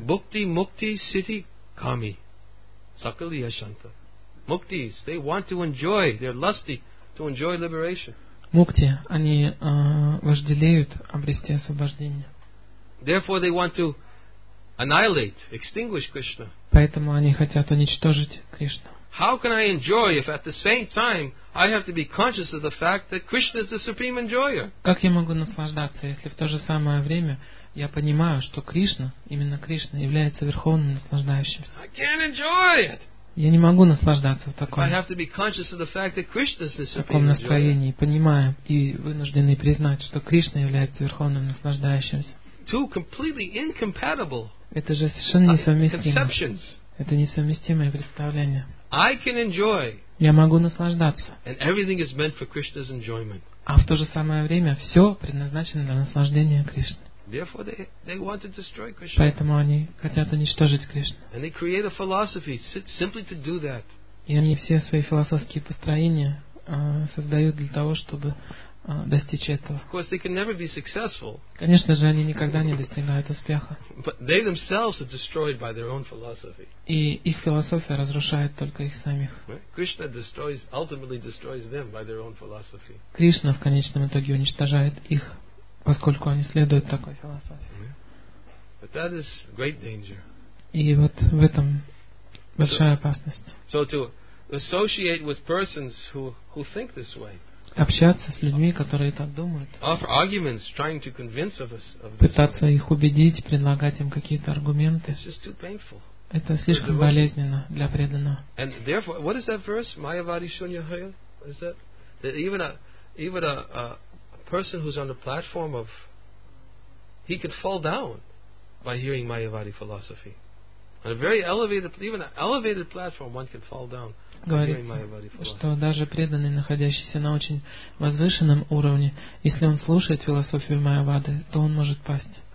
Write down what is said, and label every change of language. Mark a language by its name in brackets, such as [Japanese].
[Bangla] Bhukti mukti siddhi kami sakaliya shanta. [English] Muktis, they want to enjoy. They're lusty to enjoy liberation. [Russian] Мукти, они вожделеют обрести освобождение. [English] Therefore, they want to annihilate, extinguish Krishna. [Russian] Поэтому они хотят уничтожить Кришну. [English] How can I enjoy if at the same time I have to be conscious of the fact that Krishna is the supreme enjoyer? [Russian] Как я могу наслаждаться, если в то же самое время я понимаю, что Кришна, именно Кришна, является верховным наслаждающимся? [English] I can't enjoy it. [Russian] Я не могу наслаждаться в таком, [English] I have to be conscious of the fact that Krishna is the supreme [Russian] таком настроении, понимая и вынужденный признать, что Кришна является верховным наслаждающимся. [English] Two completely incompatible. [Russian] Это же совершенно несовместимо. Это несовместимые представления. [English] I can enjoy. [Russian] Я могу наслаждаться. [English] And everything is meant for Krishna's enjoyment. [Russian] А в то же самое время все предназначено для наслаждения Кришны. [English] Therefore, they want to destroy Krishna. [Russian] Поэтому они хотят уничтожить Кришну. [English] And they create a philosophy simply to do that. [Russian] И они все свои философские построения создают для того, чтобы достичь этого. [English] Of course, they can never be successful. [Russian] Конечно же, они никогда не достигают успеха. [English] But they themselves are destroyed by their own philosophy. [Russian] И их философия разрушает только их самих. [English] Krishna destroys, ultimately destroys them by their own philosophy. [Russian] Кришна в конечном итоге уничтожает их, поскольку они следуют такой философии. [English] But that is great danger. [Russian] И вот в этом большая опасность. [English] So to associate with persons who think this way. [Russian] Общаться с людьми, которые так думают. [English] Offer arguments, trying to convince of us of this. [Russian] Пытаться их убедить, предлагать им какие-то аргументы. [English] It's just too painful. [Russian] Это слишком болезненно для преданного. [English] And therefore, what is that verse? Mayavadi shunya hail? Is that even a person who's on the platform of, he could fall down by hearing Mayavadi philosophy. On a very elevated, even an elevated platform, one can fall down [Russian] говорится, [English] by hearing Mayavadi philosophy. [Russian] Что даже преданный, находящийся на очень возвышенном уровне, если он слушает философию Майявады, то он может пасть.